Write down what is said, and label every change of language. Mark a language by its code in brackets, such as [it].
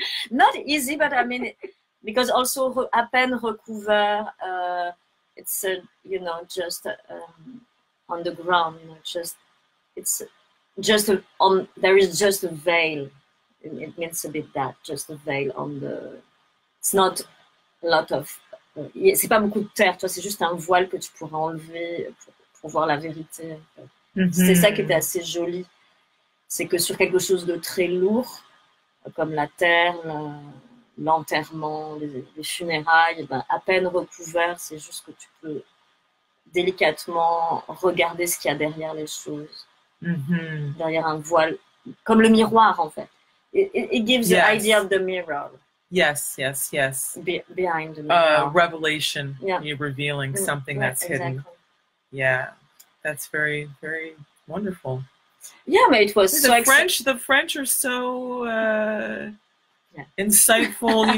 [en] not easy, but I mean, because also [fr] à peine recouvert, [en] it's you know, just on the ground, you know, just it's just a, on there is just a veil. It means a bit that, just a veil on the. It's not a lot of. [fr] C'est pas beaucoup de terre, toi. C'est juste un voile que tu pourras enlever pour voir la vérité. C'est ça qui était assez joli. C'est que sur quelque chose de très lourd, comme la terre, l'enterrement, les funérailles, ben, à peine recouvert, c'est juste que tu peux délicatement regarder ce qu'il y a derrière les choses, derrière un voile, comme le miroir en fait. [en] It gives the idea of the mirror, behind the mirror. Revelation, you're revealing something Yeah, that's hidden. exactly. That's very, very wonderful. Yeah, but it was so exciting. The French are so insightful, you